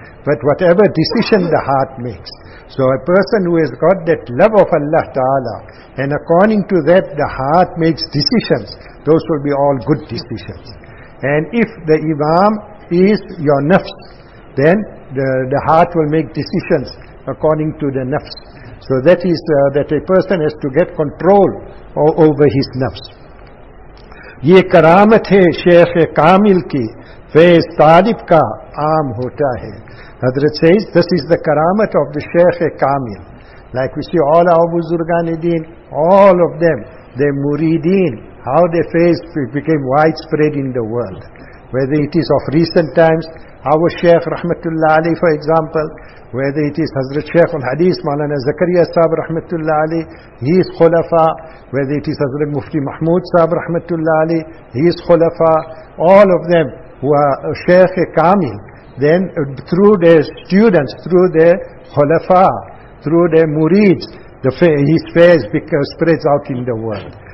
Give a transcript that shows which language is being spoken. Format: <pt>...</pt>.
<en>But whatever decision the heart makes, so a person who has got that love of Allah Ta'ala, and according to that the heart makes decisions, those will be all good decisions. And if the imam is your nafs, then the heart will make decisions according to the nafs. So that is that a person has to get control over his nafs.</en> <ur>یہ کرامت ہے شیخ کامل کی فیض طالب کا عام ہوتا ہے.</ur> <en>حضرت says this is the karamat of the Shaykh Kamil. Like we see all our Buzurganideen, all of them, their Murideen, how their faith became widespread in the world. Whether it is of recent times, our Shaykh Rahmatullah Ali for example, whether it is Hazrat Shaykh al-Hadith Maulana Zakariya Sahib Rahmatullah Ali, his Khulafa, whether it is Hazrat Mufti Mahmood Sahib Rahmatullah Ali, his Khulafa, all of them who are Shaykh Kamil, then through their students, through their Khulafa, through their Murids, his faith spreads out in the world.</en>